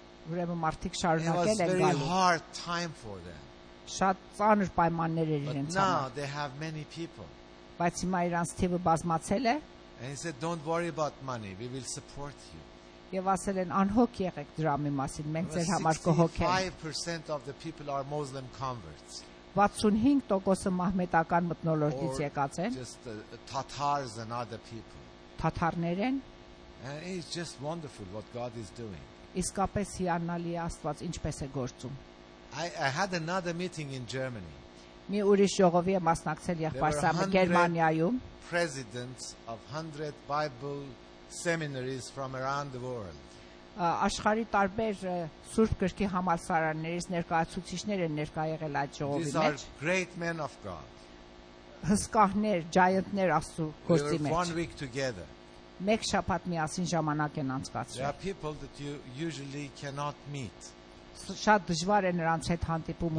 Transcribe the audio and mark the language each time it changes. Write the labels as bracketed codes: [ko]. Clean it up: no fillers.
[hy] Ուրեմն մարդիկ շարունակել են գալու։ [en] It was a very hard time for them. [hy] Շատ ծանր պայմաններ էր իրենց [en] համար։ But now they have many people. [hy] Բայց հիմա իրանց թիվը բազմացել է։ [en] And he said, don't worry about money, we will support you. [hy] Եվ ասել են անհոգ եղեք դրամի մասին, մենք ձեր համար կհոգենք։ [en] 65% of the people are Muslim converts. [hy] 65%-ը մահմեդական մտնոլորտից եկած են։ [en] Just the Tatars and other people. [hy] Թաթարներ են։ [en] And it's just wonderful what God is doing. [hy] Իսկապես հիանալի Աստված ինչպես է գործում. [en] I had another meeting in Germany. [hy] Մի ուրիշ ժողովի եմ մասնակցել եղբայրսամը Գերմանիայում. [en] Presidents of 100 Bible seminaries from around the world. [hy] Աշխարհի տարբեր սուրբ գրքի համալսարաններից ներկայացուցիչներ են ներկա եղել այդ ժողովի մեջ. [en] These are great men of God. [hy] Հսկաներ, ջայընտներ Աստծո գործի մեջ. [en] We were one week together. [hy] Մեկ շաբաթ միասին ժամանակ են անցկացրել. [en] There are people that you usually cannot meet. [hy] Շատ դժվար է նրանց հետ հանդիպում